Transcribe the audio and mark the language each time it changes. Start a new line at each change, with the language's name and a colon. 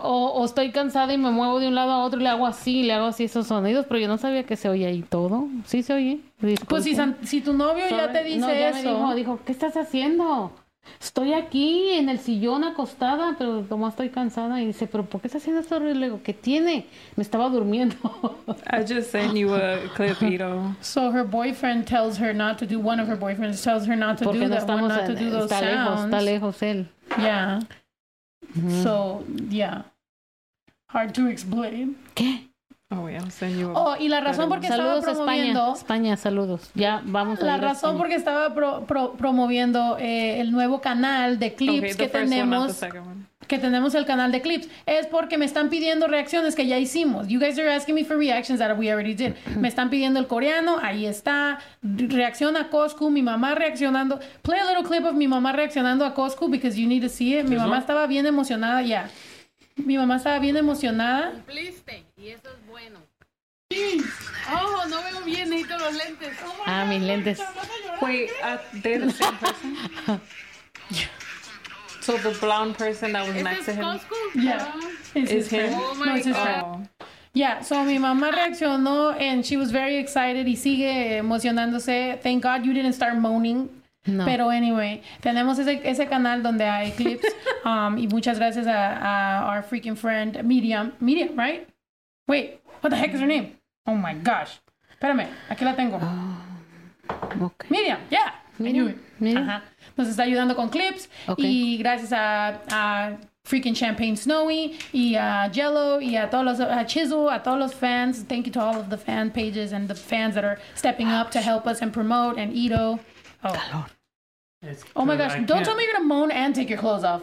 Spanish: O estoy cansada y me muevo de un lado a otro y le hago así esos sonidos, pero yo no sabía que se oía ahí todo. Sí se oye. Disculpa. Pues si tu novio ya te dice eso. Me dijo, ¿qué estás haciendo? Estoy aquí en el sillón acostada, pero como estoy cansada. Y dice, ¿pero por qué estás haciendo esto? Y luego, ¿qué tiene? Me estaba durmiendo.
English: I just sent you a clip, Ito. So her boyfriend tells her not to do, one of her boyfriends tells her not to
Spanish: porque no
English: that one, not
Spanish: en,
English: to do those
Spanish: está
English: sounds.
Spanish: Lejos, está lejos él.
English: Yeah. So, yeah. Hard to explain.
Spanish: ¿Qué?
English: Oh, yeah, I'll send you a...
Spanish: Oh, y la razón por qué estaba promoviendo... España, saludos. Ya, vamos a la razón por qué estaba promoviendo el nuevo canal de clips que tenemos... Que tenemos el canal de clips. Es porque me están pidiendo reacciones que ya hicimos.
English: You guys are asking me for reactions that we already did.
Spanish: Me están pidiendo el coreano. Ahí está. Reacciona a Coscu. Mi mamá reaccionando.
English: Play a little clip of
Spanish: mi mamá reaccionando a Coscu
English: because you need to see it.
Spanish: Mi mamá estaba bien emocionada ya. Mi mamá estaba bien emocionada. Cumpliste. Y eso es bueno. Oh, no veo bien. Necesito los lentes. Oh, ah, mis lentes. Fue a
English: so the blonde person that was is next to him, Costco? Yeah, is him. Oh my no, it's his God. Oh. Yeah. So
Spanish: mi mamá reaccionó
English: and she was very excited.
Spanish: Y sigue emocionándose.
English: Thank God you didn't start moaning. No.
Spanish: Pero
English: anyway,
Spanish: tenemos ese canal donde hay clips. y muchas gracias a
English: our freaking friend
Spanish: Miriam,
English: right? Wait, what the heck is her name? Oh my gosh.
Spanish: Espérame, aquí la tengo.
English: Okay. Miriam, yeah. Miriam.
Spanish: Nos está ayudando con clips.
English: Okay.
Spanish: Y gracias a freaking Champagne Snowy y a Jello y a todos los a Chisel, a todos los fans.
English: Thank you to all of the fan pages and the fans that are stepping up to help us and promote and Ito.
Spanish: Oh, calor.
English: Oh my gosh. Don't tell me you're gonna moan and take your clothes off.